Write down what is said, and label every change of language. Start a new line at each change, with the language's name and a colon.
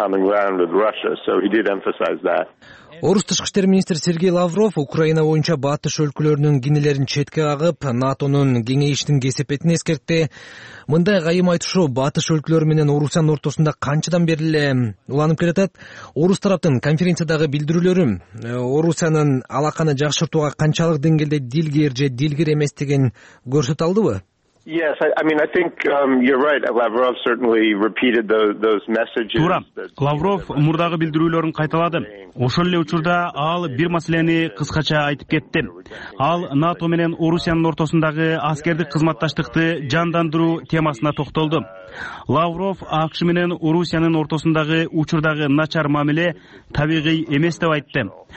Kyrgyz: Орус тышкы иштер министри Сергей Лавров Украина боюнча батыш өлкөлөрүнүн кинилерин четке кагып, НАТОнун кеңейиштин кесепетин эскертти. Мындай кайым айтышуу батыш өлкөлөрү менен Орусиянын ортосунда канчадан бери эле уланып келатат. Орус тараптын конференциядагы билдирүүлөрү Орусиянын алаканы жакшыртууга канчалык деңгээлде дилгер же дилгер эместигин көрсөтө алдыбы?
English: Yes, I think you're right. Lavrov certainly repeated those messages.
Kyrgyz: Туура. Лавров мурдагы билдирүүлөрүн кайталады. Ошол эле учурда ал бир маселени кыскача айтып кетти. Ал НАТО менен Орусиянын ортосундагы аскердик кызматташтыкты жандандыруу темасына токтолду. Лавров АКШ менен Орусиянын ортосундагы учурдагы начар мамиле табигый эмес деп айтты.